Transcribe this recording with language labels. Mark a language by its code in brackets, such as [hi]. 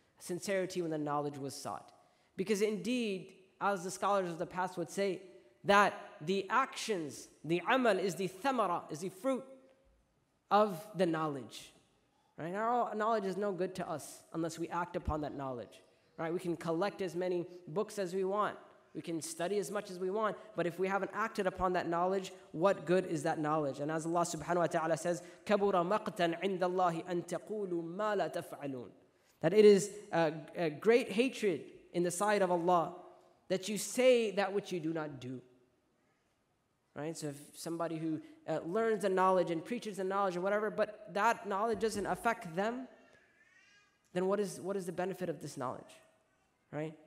[en] Sincerity when the knowledge was sought. Because indeed, as the scholars of the past would say, that the actions, the amal, is the thamara, is the fruit of the knowledge. Right? Our knowledge is no good to us unless we act upon that knowledge. Right? We can collect as many books as we want. We can study as much as we want. But if we haven't acted upon that knowledge, what good is that knowledge? [ar] And as Allah subhanahu wa ta'ala says, كَبُرَ مَقْتًا عِنْدَ اللَّهِ أَن تَقُولُوا مَا لَا تَفْعَلُونَ. [en] That it is a great hatred in the sight of Allah that you say that which you do not do. Right? So if somebody who learns the knowledge and preaches the knowledge or whatever, but that knowledge doesn't affect them, then what is the benefit of this knowledge? Right?